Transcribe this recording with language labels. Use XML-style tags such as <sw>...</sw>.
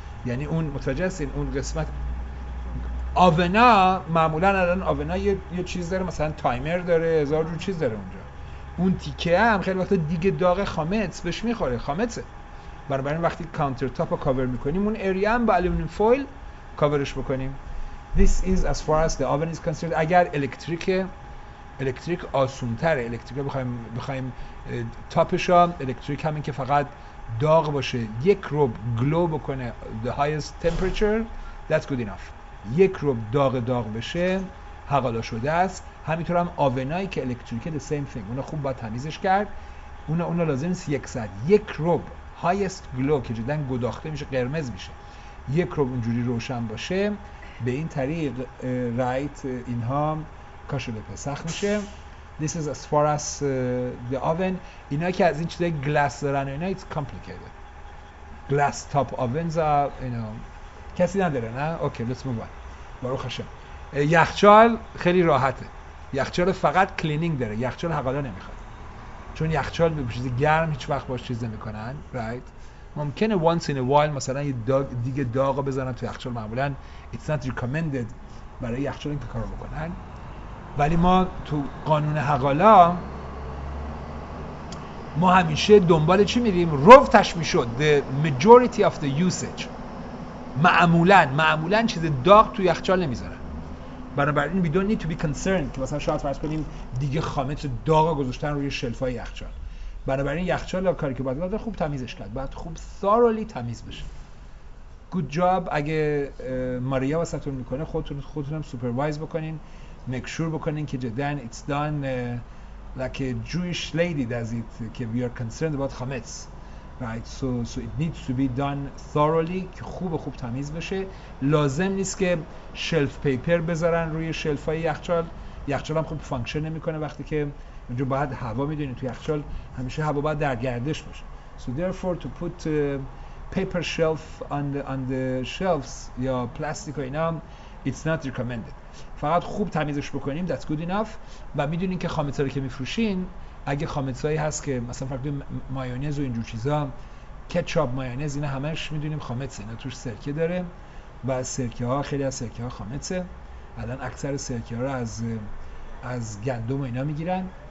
<fa>یعنی اون متوجه هستین اون قسمت آونا معمولا الان آونا یه چیز داره، مثلا تایمر داره، هزار جور چیز داره اونجا. اون تیکه هم خیلی وقتا دیگه داغ خامتس بهش میخوره، خامتسه. بنابراین وقتی کانتر تاپ رو کاور میکنیم اون اریا هم با الومینیوم فویل کاورش بکنیم.</fa> <en>This is as far as the oven is concerned.</en> <fa>اگر الکتریک آسونتره، الکتریک بخوایم تاپش هم الکتریک همین که فقط داغ باشه، یک روب گلو بکنه</fa> <en>the highest temperature, that's good enough.</en> <fa>یک روب داغ بشه حقالا شده است. همینطور هم آونایی که الکتریکه</fa> <en>the same thing،</en> <fa>اونا خوب با تمیزش کرد، اونا لازم نیست یک ساعت. یک روب</fa> <en>highest glow</en> <fa>که جدن گداخته میشه، قرمز میشه، یک روب اونجوری روشن باشه، به این طریق رایت اینها کاشله پسخ میشه.</fa> <en>This is as far as the oven.</en> <fa>اینا که از این چیزای گلاس دارن اینا</fa> <en>it's complicated. Glass top ovens are, you know.</en> <fa>کسی نداره نه؟ اوکی</fa> <en>let's move on.</en> <fa>بارو خشم. یخچال خیلی راحته. یخچال فقط کلینینگ داره. یخچال حقالا نمیخواد. چون یخچال به چیز گرم هیچ وقت باش چیز نمیکنن.</fa> <en>Right.</en> <fa>ممکنه</fa> <en>once in a while</en> <fa>مثلا یه داغ دیگه داغ بزنن تو یخچال، معمولا</fa> <en>it's not recommended</en> <fa>برای یخچال این کارو بکنن. ولی ما تو قانون حقالا ما همیشه دنبال چی میریم؟ رفتش میشد</fa> <en>the majority of the usage.</en> <fa>معمولا چیز داغ تو یخچال نمیذارن. بنابراین</fa> <en>we don't need to be concerned</en> <fa>که مثلا شاید فرض کنیم دیگه خامت داغ گذاشتن روی شلفای یخچال. بنابراین یخچال کاری که باید خوب تمیزش کرد، باید خوب thoroughly تمیز بشه.</fa> <en>good job.</en> <fa>اگه ماریا واسهتون میکنه خودتونم سوپروایز بکنین،</fa> <en>make sure</en> <fa>بکنین که جدن</fa> <en>it's done like a Jewish lady does it که we are concerned about chametz, right? So it needs to be done thoroughly</en> <fa>که خوب تمیز بشه. لازم نیست که شلف پیپر بذارن روی شلف های یخچال. یخچال هم خوب فانکشن نمی کنه وقتی که اونجا باید هوا، میدونی توی یخچال همیشه هوا باید در گردش باشه.</fa> <en>So therefore to put paper shelf on the shelves</en> <fa>یا پلاستیک و اینا</fa> <en>it's not recommended.</en> <fa>فقط خوب تمیزش بکنیم،</fa> <en>that's good enough.</en> <fa>و میدونین که خامتا رو که میفروشین، اگه خامتایی هست که مثلا فرق مایونز و اینجور چیزا، کچاپ، مایونز، اینا همش میدونیم خامتسه، اینا توش سرکه داره و سرکه ها خیلی از سرکه ها خامتسه. الان اکثر سرکه ها رو از گندم و اینا میگیرن.</fa>